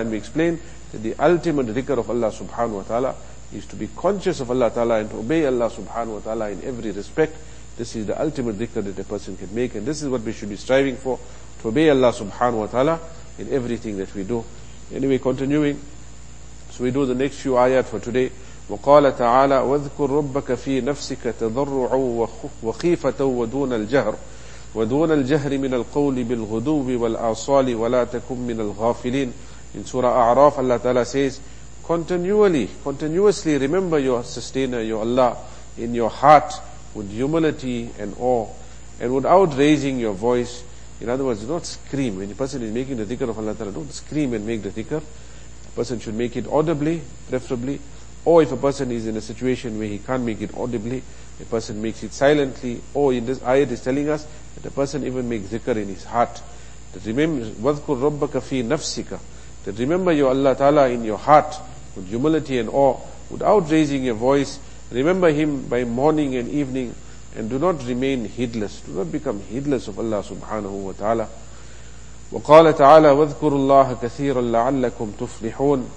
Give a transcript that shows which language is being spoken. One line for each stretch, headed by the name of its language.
English: And we explain that the ultimate dhikr of Allah subhanahu wa ta'ala is to be conscious of Allah ta'ala and to obey Allah subhanahu wa ta'ala in every respect. This is the ultimate dhikr that a person can make. And this is what we should be striving for, to obey Allah subhanahu wa ta'ala in everything that we do. Anyway, continuing. So we do the next few ayat for today.
Arabic: وقال تعالى واذكر ربك في نفسك تضرعا وخيفة ودون الجهر من القول بالغدو والآصال ولا تكن من الغافلين.
English: In Surah A'raf, Allah Ta'ala says, continuously remember your sustainer, your Allah, in your heart with humility and awe and without raising your voice. In other words, do not scream. When a person is making the dhikr of Allah Ta'ala, don't scream and make the dhikr. A person should make it audibly, preferably. Or if a person is in a situation where he can't make it audibly, a person makes it silently. Or in this ayat is telling us that a person even makes zikr in his heart. That remember,
Arabic: وَذْكُرْ رَبَّكَ فِي نَفْسِكَ.
English: That remember your Allah Ta'ala in your heart with humility and awe, without raising your voice. Remember him by morning and evening, and do not remain heedless. Do not become heedless of Allah subhanahu wa ta'ala.
Arabic: وَقَالَ تَعَالَى وَذْكُرُ اللَّهَ كَثِيرًا لَعَلَّكُمْ تُفْلِحُونَ.